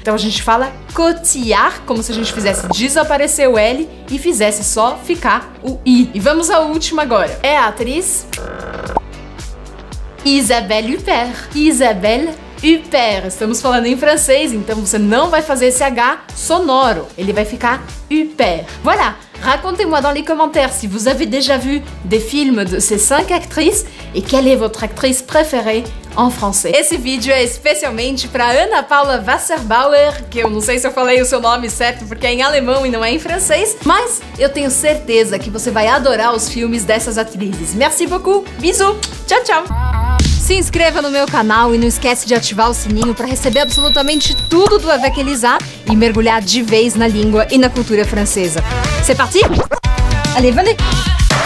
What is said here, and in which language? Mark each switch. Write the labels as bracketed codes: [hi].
[pt] Então a gente fala Cotillard, como se a gente fizesse desaparecer o L e fizesse só ficar o I. E vamos à última agora. É a atriz Isabelle Huppert. Isabelle Huppert. Estamos falando em francês, então você não vai fazer esse H sonoro. Ele vai ficar Huppert. [fr] Voilà! Racontez-moi dans les commentaires si vous avez déjà vu des films de ces 5 actrices et quelle est votre actrice préférée en français. [pt] Esse vídeo é especialmente para Ana Paula Wasserbauer, que eu não sei se eu falei o seu nome certo porque é em alemão e não é em francês, mas eu tenho certeza que você vai adorar os filmes dessas atrizes. [fr] Merci beaucoup, bisous, tchau tchau! [pt] Se inscreva no meu canal e não esquece de ativar o sininho para receber absolutamente tudo do Avec Elisa e mergulhar de vez na língua e na cultura francesa. [fr] C'est parti? Allez, venez!